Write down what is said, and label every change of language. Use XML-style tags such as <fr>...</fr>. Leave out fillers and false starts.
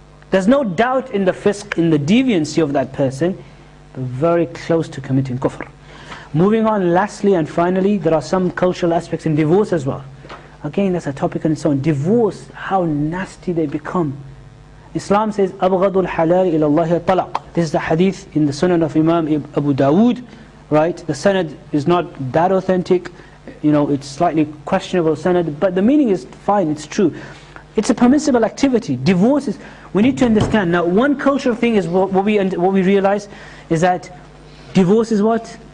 <en>There's no doubt in the fisk, in the deviancy of that person, but very close to committing kufr. Moving on, lastly and finally, there are some cultural aspects in divorce as well. Again, that's a topic on its own. Divorce, how nasty they become.</en> <ar>Islam says, أَبْغَضُ الْحَلَالِ إِلَى اللَّهِ الطَّلَقِ.</ar> <en>This is the hadith in the sunan of Imam Abu Dawood, right? The sanad is not that authentic, you know, it's slightly questionable sanad, but the meaning is fine, it's true. It's a permissible activity. Divorce is, we need to understand. Now, one cultural thing is what we realize is that divorce is what?</en>